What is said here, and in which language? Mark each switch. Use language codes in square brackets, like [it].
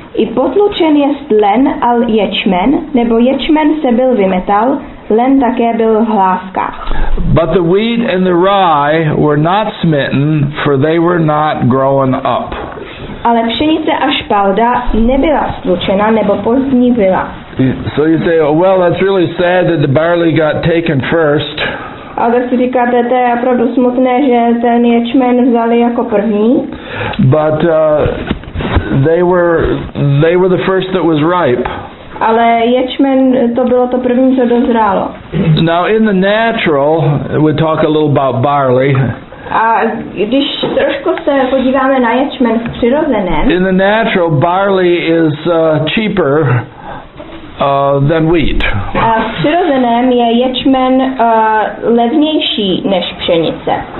[cs] I potlučen jest len a ječmen, nebo ječmen se byl vymetal, len také byl v hláskách. [en] But the wheat and the rye were not smitten, for they were not growing up. [cs] Ale pšenice a špalda nebyla stlučena, nebo pozdní byla. [en] So you say, oh, well, that's really sad that the barley got taken first. [cs] A tak si říkáte, to je opravdu smutné, že ten ječmen vzali jako první. [en] But they were the first that was ripe. [cs] Ale ječmen to bylo to první, co dozrálo. [en] Now in the natural, we talk a little about barley. [cs] A když trošku se podíváme na ječmen v přirozeném. [en] In the natural, barley is cheaper than wheat. [cs] A v přirozeném je ječmen levnější než pšenice.